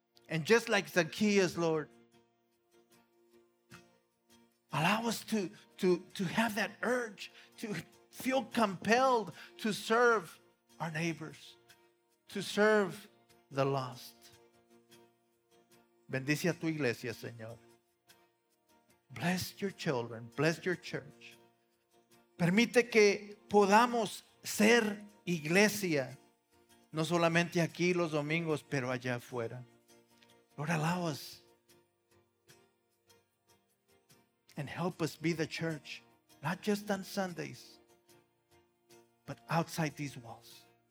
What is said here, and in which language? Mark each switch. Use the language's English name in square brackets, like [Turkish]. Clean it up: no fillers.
[English] And just like Zacchaeus, Lord, allow us to have that urge, to feel compelled to serve our neighbors, to serve the lost. [Spanish] Bendice a tu iglesia, Señor. [English] Bless your children. Bless your church. [Spanish] Permite que podamos ser iglesia, no solamente aquí los domingos, pero allá afuera. [English] Lord, allow us. And help us be the church, not just on Sundays, but outside these walls.